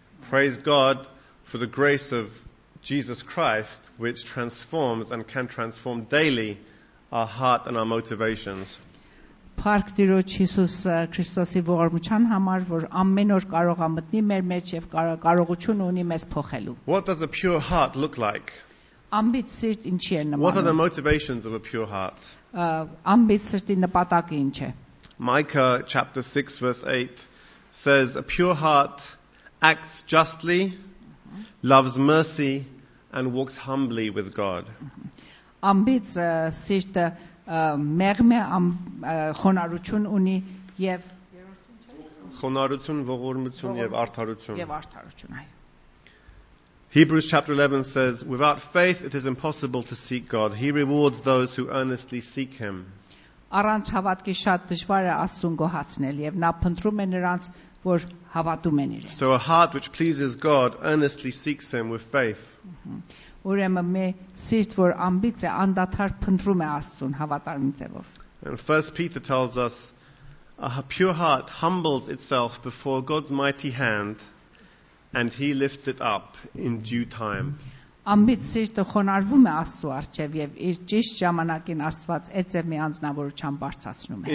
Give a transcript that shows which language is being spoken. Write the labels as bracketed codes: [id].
[en] Praise God for the grace of Jesus Christ, which transforms and can transform daily our heart and our motivations. [hy] Փառք Տիրոջ Հիսուս Քրիստոսի ողորմության համար, որ ամեն օր կարող է մտնի մեր մեջ եւ կարողություն ունի մեզ փոխելու. [en] What does a pure heart look like? [hy] Ամբիծ սիրտ ինչի է նմանում? [en] What are the motivations of a pure heart? [hy] Ամբիծ սիրտի նպատակը ինչ է? [en] Micah chapter 6 verse 8 says a pure heart acts justly, loves mercy and walks humbly with God. [hy] Ամբիծ սիրտը մեղմը խոնարհություն ունի եւ խոնարհություն, ողորմություն եւ արդարություն։ Եվ արդարություն, այո։ [en] Hebrews chapter 11 says, without faith it is impossible to seek God. He rewards those who earnestly seek him. [hy] Առանց հավատքի շատ դժվար է Աստծուն գոհացնել եւ նա փնտրում է նրանց, որ հավատում են իրեն։ [en] So a heart which pleases God earnestly seeks him with faith. [hy] Ուրեմն մի սիրտ, որ ամբիծ է, անդադար փնտրում է Աստծուն հավատարիմ ձևով։ [en] And 1 Peter tells us a pure heart humbles itself before God's mighty hand and he lifts it up in due time. [hy] Ամբիծ սիրտը խոնարհվում է Աստծո առջև եւ իր ճիշտ ժամանակին Աստված այդպես մի անձնավորությամբ բարձրացնում է։